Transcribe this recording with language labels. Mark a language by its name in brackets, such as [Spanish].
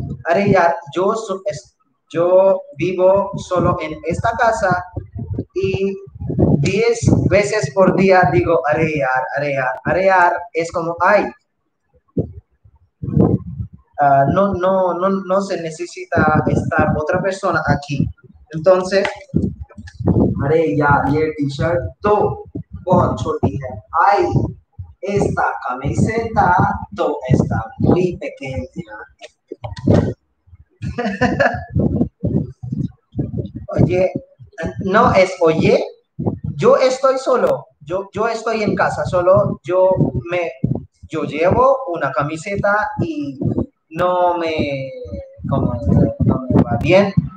[Spanish] Areya, yo vivo solo en esta casa y 10 veces por día digo areya, es como ay. No se necesita estar otra persona aquí. Entonces, [Hindi] अरे यार ये T-shirt तो बहुत छोटी है। [Spanish] Ay, esta camiseta तो está muy pequeña. Oye, no es oye, yo estoy solo, yo estoy en casa solo, yo llevo una camiseta y no me va bien.